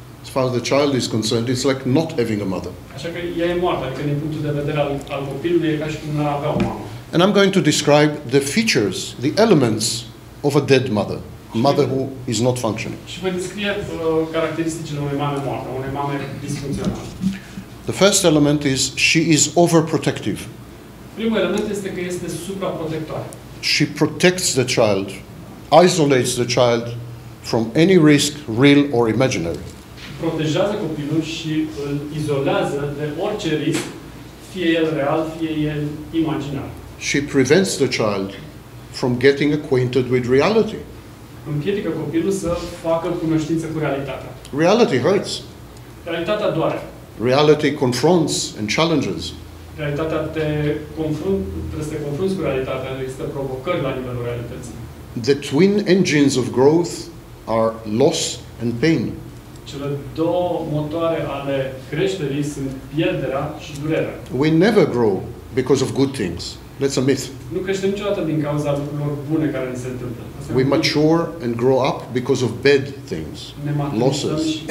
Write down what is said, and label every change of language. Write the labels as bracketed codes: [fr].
[en] As far as the child is concerned, it's like not having a mother. [ro] Așa că ea e moartă, adică din punctul de vedere al copilului e ca și cum n-ar avea o mamă. [en] And I'm going to describe the features, the elements of a dead mother, mother who is not functioning. [ro] Și voi descrie caracteristicile unei mame moarte, unei mame disfuncționale. [en] The first element is she is overprotective. [ro] Primul element este că este supraprotectoare. [en] She protects the child, isolates the child from any risk, real or imaginary. [ro] Protejează copilul și îl izolează de orice risc, fie el real, fie el imaginar. [en] She prevents the child from getting acquainted with reality. [ro] Împiedică copilul să facă cunoștință cu realitatea. [en] Reality hurts. [ro] Realitatea doare. [en] Reality confronts and challenges. [ro] Realitatea trebuie să te confrunți cu realitatea, există provocări la nivelul realității. [en] The twin engines of growth are loss and pain. [ro] Cele două motoare ale creșterii sunt pierderea și durerea. [en] We never grow because of good things. That's a myth. [ro] Nu creștem niciodată din cauza lucrurilor bune care ne se întâmplă. [en] We mature and grow up because of bad things, losses.